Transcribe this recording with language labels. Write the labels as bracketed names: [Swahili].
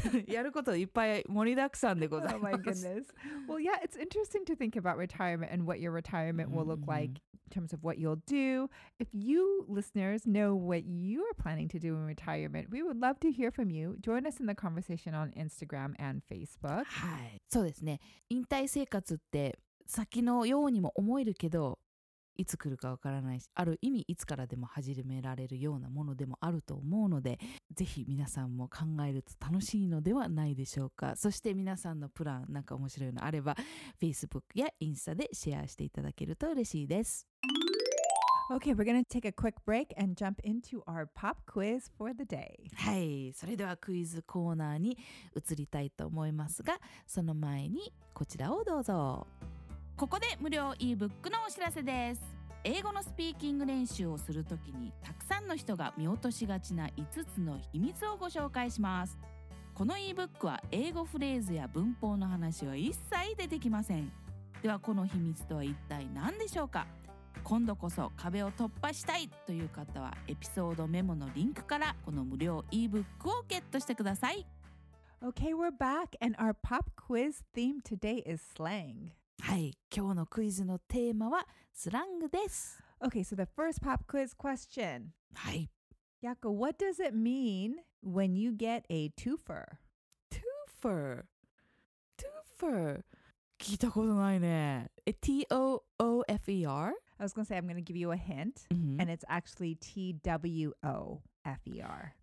[Japanese] やることいっぱい盛りだくさんでございます。 [English] Oh my goodness. Well, yeah, it's interesting to think about retirement and what your retirement will look like in terms of what you'll do. If you listeners know what you are planning to do in retirement, we would love to hear from you. Join us in the conversation on Instagram and Facebook. [Japanese] はい。そうですね。引退生活って先のようにも思えるけど、いつ来るかわからないし、ある意味いつからでも始められるようなものでもあると思うので、ぜひ皆さんも考えると楽しいのではないでしょうか。そして皆さんのプランなんか面白いのあれば、Facebook やインスタでシェアしていただけると嬉しいです。 [English] Okay, we're gonna take a quick break and jump into our pop quiz for the day. [Japanese] はい、それではクイズコーナーに移りたいと思いますが、その前にこちらをどうぞ。ここで無料 ebook のお知らせです。英語のスピーキング練習をするときにたくさんの人が見落としがちな5つの秘密をご紹介します。この ebook は英語フレーズや文法の話は一切出てきません。ではこの秘密とは一体何でしょうか。今度こそ壁を突破したいという方はエピソードメモのリンクからこの無料 ebook をゲットしてください。 [English] Okay, we're back and our pop quiz theme today is slang. [Japanese] はい、今日のクイズのテーマはスラングです。 [English] Okay, so the first pop quiz question. [Japanese] はい。 [English] Yako, what does it mean when you get a twofer? Twofer? Twofer? [Japanese] 聞いたことないね。 [English] T-O-O-F-E-R? I was going to say, I'm going to give you a hint.、Mm-hmm. And it's actually T-W-O-F-E-R.